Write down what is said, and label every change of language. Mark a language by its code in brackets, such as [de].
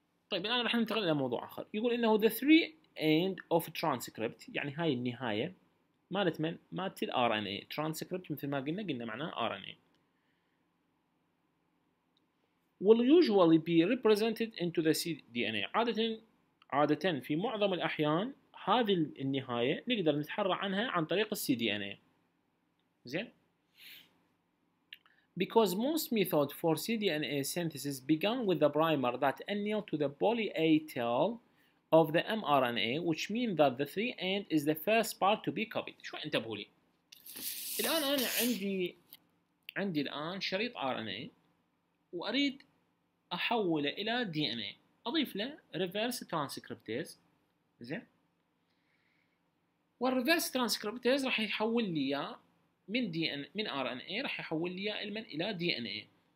[ar] طيب الآن راح ننتقل إلى موضوع آخر. يقول إنه [en] the three end of transcript، [ar] يعني هاي النهاية مالت من؟ مالت الـ RNA. transcript مثل ما قلنا، معناه RNA. [en] will usually be represented into the cDNA. [ar] عادة في معظم الأحيان هذه النهاية نقدر نتحرى عنها عن طريق الـ cDNA. [en] زين؟ Because most methods for cDNA synthesis began with the primer that anneal to the poly A tail of the mRNA, which means that the three end is the first part to be copied. [ar] شو انتبهوا لي. الآن أنا عندي الآن شريط RNA وأريد أحوله إلى DNA. أضيف له reverse transcriptase. زين؟ والreverse transcriptase راح يحول لي إياه من دي ان من ار ان اي، راح يحول لي المن الى دي ان اي.